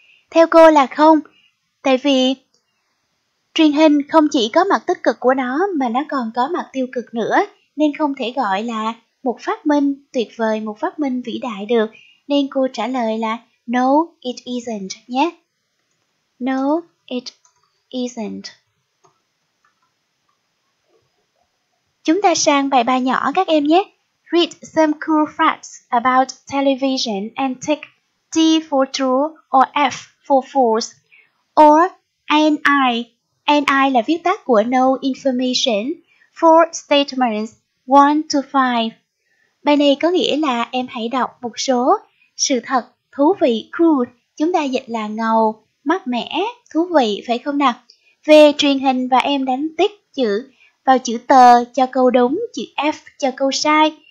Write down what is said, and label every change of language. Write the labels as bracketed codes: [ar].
[vi] Theo cô là không, tại vì truyền hình không chỉ có mặt tích cực của nó mà nó còn có mặt tiêu cực nữa, nên không thể gọi là một phát minh tuyệt vời, một phát minh vĩ đại được. Nên cô trả lời là [en] no, it isn't [vi] nhé. [en] No, it isn't. [vi] Chúng ta sang bài 3 nhỏ các em nhé. [en] Read some cool facts about television and take T for true or F for false or NI. NI [vi] là viết tắt của [en] no information. Four statements, 1 to 5. [vi] Bài này có nghĩa là em hãy đọc một số sự thật thú vị, cool. Chúng ta dịch là ngầu, mát mẻ, thú vị, phải không nào? Về truyền hình và em đánh tích chữ vào chữ T cho câu đúng, chữ F cho câu sai.